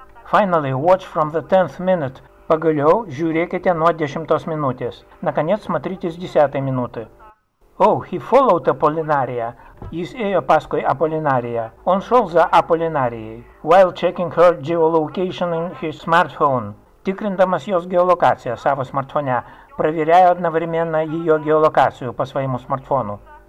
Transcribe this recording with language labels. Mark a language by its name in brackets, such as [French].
[English] Finally, watch from the 10th minute. [Lithuanian] Pagaliau, žiūrėkite nuo 10 minutės. [Russian] Наконец, смотрите с 10 минуты. [English] Oh, he followed Apollinaria. [Lithuanian] Jis ėjo paskui Apollinaria. [Russian] Он шел за Apollinarijai. [English] While checking her geolocation in his smartphone. [Lithuanian] Tikrindamas jos geolokaciją savo smartfone, [Russian] проверяя одновременно ее геолокацию по своему смартфону.